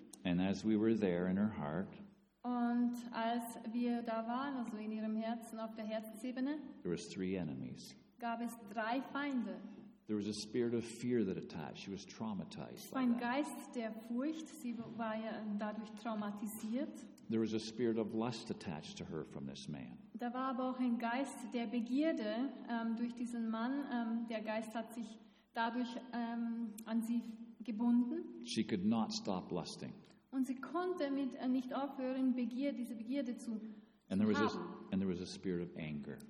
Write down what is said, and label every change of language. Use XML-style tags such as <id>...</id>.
<en>And as we were there in her heart,</en> <de>und als wir da waren, also in ihrem Herzen, auf der Herzensebene,</de> <en>there was three enemies.</en> <de>Gab es drei Feinde.</de> <en>There was a spirit of fear that attached. She was traumatized.</en> <de>Ein Geist der Furcht. Sie war ja dadurch traumatisiert.</de> <en>There was a spirit of lust attached to her from this man.</en> <de>Da war aber auch ein Geist der Begierde durch diesen Mann. Der Geist hat sich dadurch an sie gebunden.</de> <en>She could not stop lusting.</en> <de>Und sie konnte mit nicht aufhören, diese Begierde zu</de> <en>and there was haben. And there was a spirit of anger.</en>